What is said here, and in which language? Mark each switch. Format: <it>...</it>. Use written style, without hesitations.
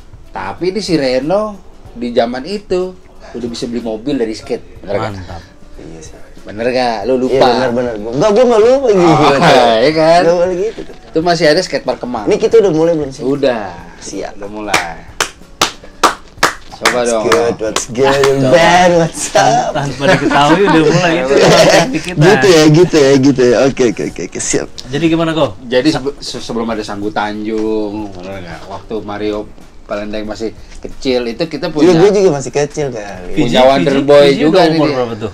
<id>Tapi ini si Reno di zaman itu udah bisa beli mobil dari skate. Bener. Mantap. Kan? Iya sih. Bener gak? Lu lupa? Iya bener-bener. Gua gak lupa gitu. Oh, iya kan? Gak boleh gitu. Itu masih ada skatepark Kemang. Ini kita udah mulai belum sih? Udah. Siap. Udah mulai. Coba</id> <en>what's</en> <id>dong.</id> <en>Good, what's good, what's bad, what's up?</en> <id>Tanpa diketahui udah mulai gitu. gitu ya. Oke, siap. Jadi gimana kok? Jadi sebelum ada Sanggu Tanjung, bener gak? Waktu Mario Palendeng masih kecil itu kita punya. Gue juga masih kecil kali. PG, punya Wonderboy juga nih. Umur berapa tuh?</id>